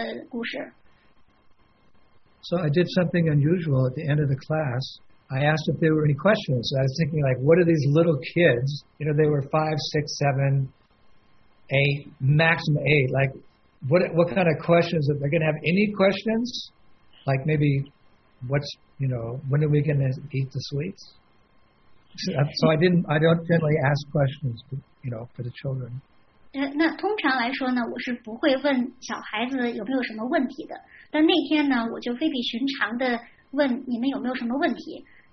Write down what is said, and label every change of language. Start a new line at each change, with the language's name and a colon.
Chinese: 那当时呢，我就给大家讲了一个很简单的故事，关于蓝色的青蛙的故事。那么这是因为小孩能够听懂的故事。So
English: I did something unusual at the end of the class. I asked if there were any questions. So I was thinking, like, what are these little kids? You know, they were 5, 6, 7. Maximum 8. Like, what kind of questions are they going to have? Any questions? Like, maybe, when are we going to eat the sweets? So I don't generally ask questions, for the children.
Chinese: 那通常来说呢，我是不会问小孩子有没有什么问题的。但那天呢，我就非比寻常的问你们有没有什么问题。